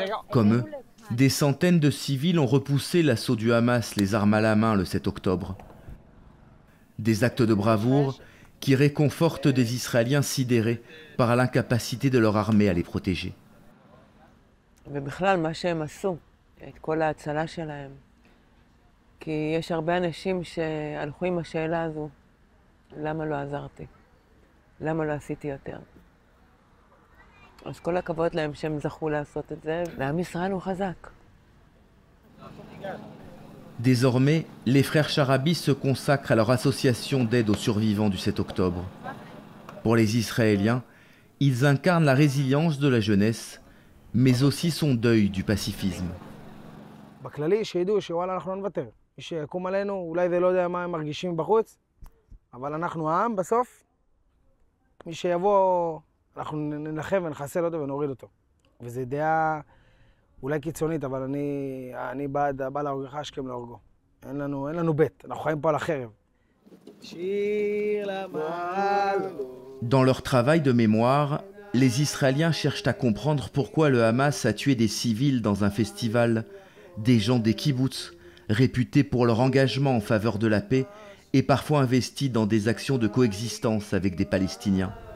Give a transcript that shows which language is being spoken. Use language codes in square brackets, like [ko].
[fr] Comme eux, des centaines de civils ont repoussé l'assaut du Hamas, les armes à la main, le 7 octobre. Des actes de bravoure qui réconfortent des Israéliens sidérés par l'incapacité de leur armée à les protéger. [he] ובכלל, מה שהם עשו, את כל ההצלה שלהם. כי יש הרבה אנשים שהלכו עם השאלה הזו, למה לא עזרתי? למה לא עשיתי יותר? אז כל הכבוד להם שהם זכו לעשות את זה, ועם ישראל הוא חזק. [fr] Désormais, les frères Charabi se consacrent à leur association d'aide aux survivants du 7 octobre. Pour les Israéliens, ils incarnent la résilience de la jeunesse, mais aussi son deuil du pacifisme. [he] בכללי, שידעו שוואלה אנחנו לא נוותר. מי שיקום עלינו, אולי זה לא יודע מה הם מרגישים בחוץ, אבל אנחנו העם בסוף. מי שיבוא, אנחנו נלחם ונחסל אותו ונוריד אותו. וזה דעה... אולי קיצונית, אבל אני בעד, בא להורגך אשכם להורגו. אין לנו בית, אנחנו חיים פה על החרב. שיר למעל. [fr] Dans leur travail de mémoire, les Israéliens cherchent à comprendre pourquoi le Hamas a tué des civils dans un festival, des gens des kibbutz, réputés pour leur engagement en faveur de la paix et parfois investis dans des actions de coexistence avec des Palestiniens.